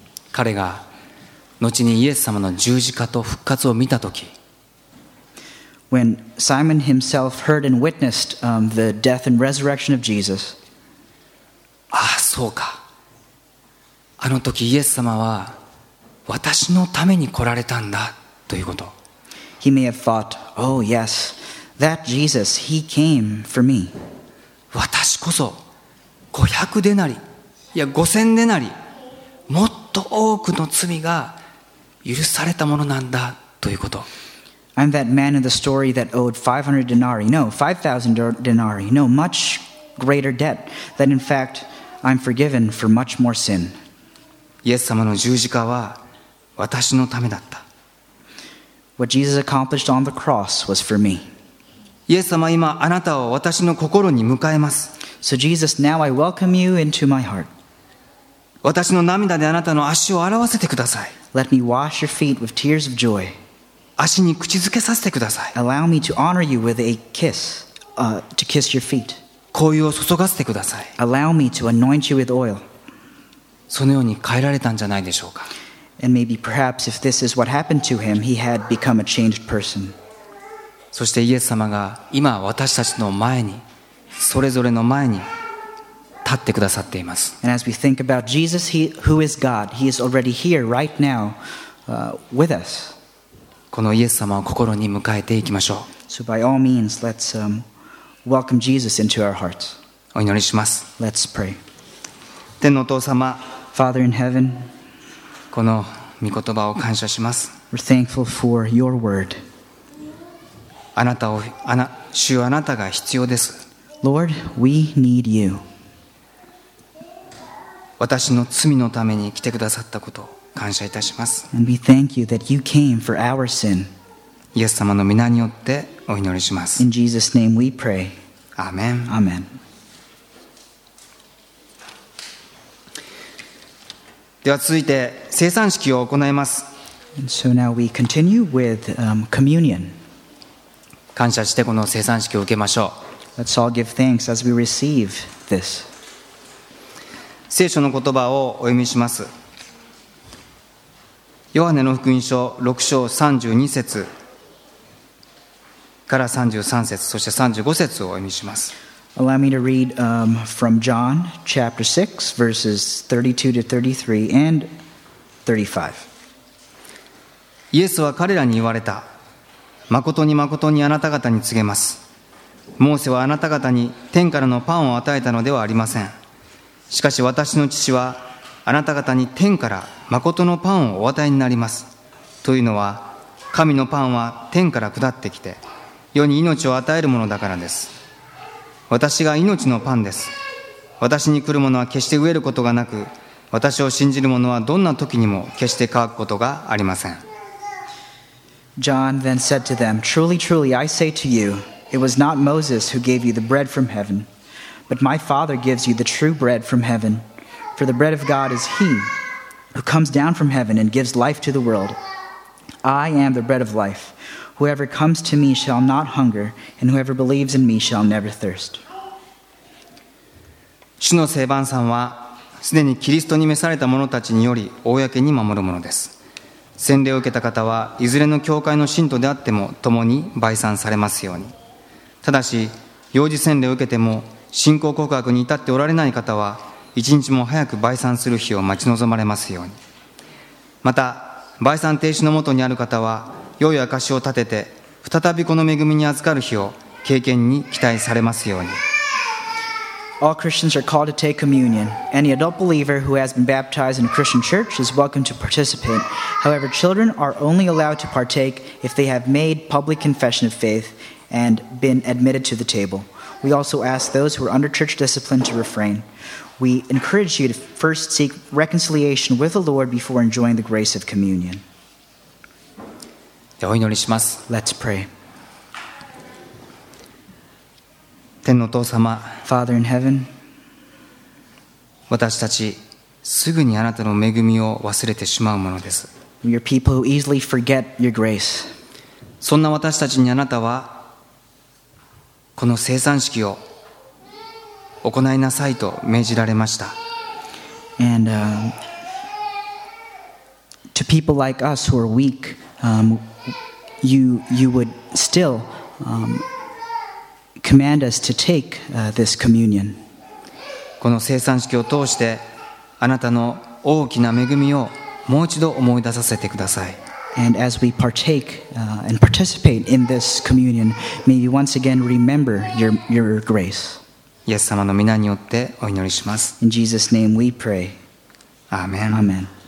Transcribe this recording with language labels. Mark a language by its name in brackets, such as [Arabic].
[Japanese] 彼が後にイエス様の十字架と復活を見たとき、 [English] When Simon himself heard and witnessed the death and resurrection of Jesus, [Japanese] ああそうか、あの時イエス様は私のために来られたんだということ、 [English] He may have thought, Oh yes, that Jesus, he came for me. [Japanese] 私こそ500デナリ、いや5000デナリ、もっと多くの罪が許されたものなんだということ。 [English] I'm that man in the story that owed 500 denarii. No, 5,000 denarii. No, much greater debt. That in fact, I'm forgiven for much more sin. [Japanese] イエス様の十字架は私のためだった。 [English] What Jesus accomplished on the cross was for me. [Japanese] イエス様、今あなたを私の心に迎えます。 [English] So Jesus, now I welcome you into my heart. [Japanese] 私の涙であなたの足を洗わせてください。 [English] Let me wash your feet with tears of joy. [Japanese] 足に口づけさせてください。 [English] Allow me to honor you with a kiss, to kiss your feet. [Japanese] 香油を注がせてください。 [English] Allow me to anoint you with oil. [Japanese] そのように変えられたんじゃないでしょうか。 [English] And maybe perhaps if this is what happened to him, he had become a changed person. [Japanese] そしてイエス様が今私たちの前に、それぞれの前に、立ってくださっています。 [English] And as we think about Jesus, who is God, He is already here right now, with us. [Japanese] このイエス様を心に迎えていきましょう。 [English] So by all means, let's welcome Jesus into our hearts. [Japanese] お祈りします。 [English] Let's pray. [Japanese] 天のお父様、 [English] Father in heaven, [Japanese] この御言葉を感謝します。 [English] We're thankful for your word. [Japanese] あなたを、主あなたが必要です。 [English] Lord, we need you. [Japanese] 私の罪のために来てくださったことを感謝いたします。 [English] And we thank you that you came for our sin. [Japanese] イエス様の御名によってお祈りします。 [English] In Jesus' name we pray. Amen. Amen. [Japanese] では続いて聖餐式を行います。 [English] And so now we continue with communion. [Japanese] 感謝してこの聖餐式を受けましょう。 [English] Let's all give thanks as we receive this. [Japanese] 聖書の言葉をお読みします。ヨハネの福音書6章32節から33節、そして35節をお読みします。 [English] Allow me to read from John chapter 6 verses 32 to 33 and 35。 [Japanese] イエスは彼らに言われた。誠に誠にあなた方に告げます、モーセはあなた方に天からのパンを与えたのではありません。しかし私の父はあなた方に天から誠のパンをお与えになります。というのは、神のパンは天から下ってきて世に命を与えるものだからです。私が命のパンです。私に来るものは決して飢えることがなく、私を信じるものはどんな時にも決して渇くことがありません。 [English] John then said to them, Truly, truly, I say to you, it was not Moses who gave you the bread from heavenBut my Father gives you the true bread from heaven. For the bread of God is He who comes down from heaven and gives life to the world. I am the bread of life. Whoever comes to me shall not hunger, and whoever believes in me shall never thirst. [Japanese] 主の聖番山はすでにキリストに召された者たちにより公に守るものです。洗礼を受けた方はいずれの教会の信徒であっても共に媒参されますように。ただし幼児洗礼を受けても信仰告白に至っておられない方は一日も早く媒参する日を待ち望まれますように。また媒参停止のもとにある方は良い証を立てて再びこの恵みに預かる日を経験に期待されますように。 [English] All Christians are called to take communion. Any adult believer who has been baptized in a Christian church is welcome to participate. However, children are only allowed to partake if they have made public confession of faith and been admitted to the table. We also ask those who are under church discipline to refrain. We encourage you to first seek reconciliation with the Lord before enjoying the grace of communion. Let's pray. [Japanese] 天のお父様、 [English] Father in heaven, [Japanese] 私たちすぐにあなたの恵みを忘れてしまうものです。 [English] Your people who easily forget your grace. [Japanese] そんな私たちにあなたはこの聖餐式を行いなさいと命じられました。 [English] And, to people like us who are weak, you would still, command us to take, this communion. [Japanese] この聖餐式を通してあなたの大きな恵みをもう一度思い出させてください。 [English] And as we partake, and participate in this communion, may you once again remember your grace. [Japanese] イエス様の名によってお祈りします。 [English] In Jesus' name we pray. Amen. Amen.